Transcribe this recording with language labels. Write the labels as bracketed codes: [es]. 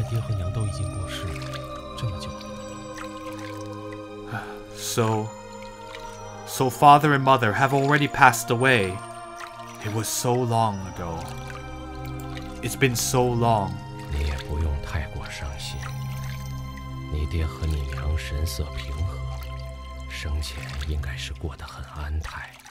[zh] 原来爹和娘都已经过世了. [en] So father and mother have already passed away. It was so long ago. It's been so long. [zh] 你也不用太过伤心。你爹和你娘神色平和，生前应该是过得很安泰。